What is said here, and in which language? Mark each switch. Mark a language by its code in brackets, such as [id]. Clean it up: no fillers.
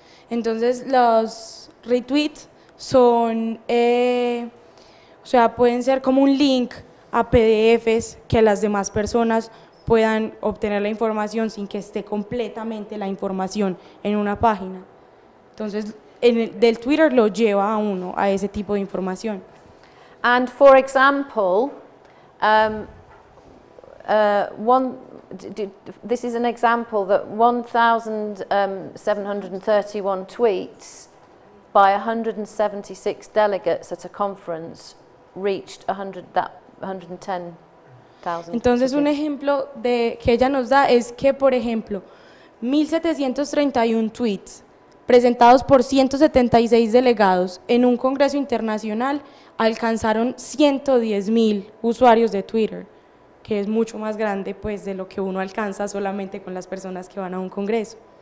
[es] Entonces, los retweets son, pueden ser como un link a PDFs que las demás personas puedan obtener la información sin que esté completamente la información en una página. Entonces, del Twitter lo lleva a uno a ese tipo de información. [en] And for example, this is an example that 1,731 tweets by 176 delegates at a conference reached 110,000. [es] Entonces, un ejemplo de que ella nos da es que, por ejemplo, 1731 tweets presentados por 176 delegados en un congreso internacional alcanzaron 110.000 usuarios de Twitter, que es mucho más grande pues de lo que uno alcanza solamente con las personas que van a un congreso.